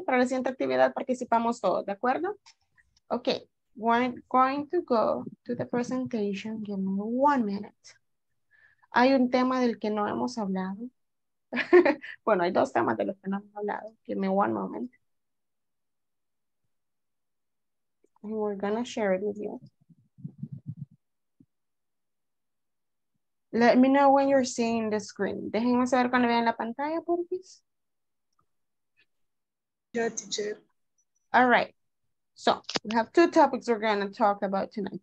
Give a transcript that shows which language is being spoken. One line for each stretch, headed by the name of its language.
Spanish: Para la siguiente actividad participamos todos, ¿de acuerdo? Ok.
English: We're going to go to the presentation. Give me 1 minute.
Spanish: Hay un tema del que no hemos hablado. Bueno, hay dos temas de los que no hemos hablado.
English: Give me 1 moment. And we're going to share it with you. Let me know when you're seeing the screen.
Spanish: Déjenme saber cuando vean la pantalla, por favor.
English: Yeah, teacher. All right. So, we have 2 topics we're going to talk about tonight.